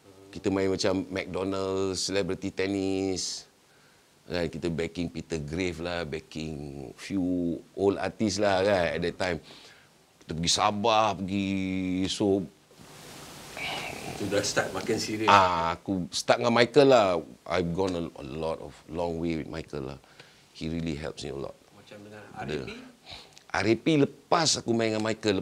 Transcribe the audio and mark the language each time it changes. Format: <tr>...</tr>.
<ms>Kita main macam McDonald's, Celebrity Tennis. Kan?</ms> <en>Kita backing Peter Grave lah, backing few old artist lah kan at that time.</en> <ms>Kita pergi Sabah, pergi so. Tu dah start makin serious. Aku start dengan Michael lah.</ms> <en>I've gone a lot of long way with Michael lah. He really helps me a lot.</en> <ms>Macam dengan R.A.P? R.A.P lepas aku main dengan Michael.</ms>